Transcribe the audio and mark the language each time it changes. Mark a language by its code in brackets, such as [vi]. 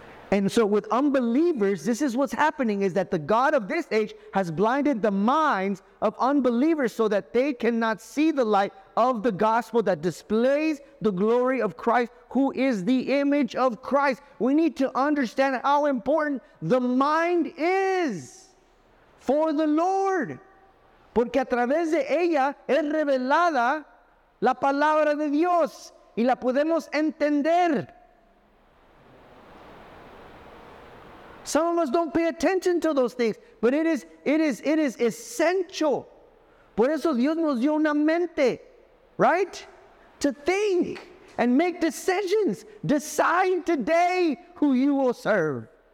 [en] And so with unbelievers, this is what's happening, is that the God of this age has blinded the minds of unbelievers so that they cannot see the light of the gospel that displays the glory of Christ, who is the image of Christ. We need to understand how important the mind is for the Lord. [es] Porque a través de ella es revelada la palabra de Dios y la podemos entender. [en] Some of us don't pay attention to those things, but it is essential. [es] Por eso Dios nos dio una mente, [en] right? To think and make decisions. Decide today who you will serve.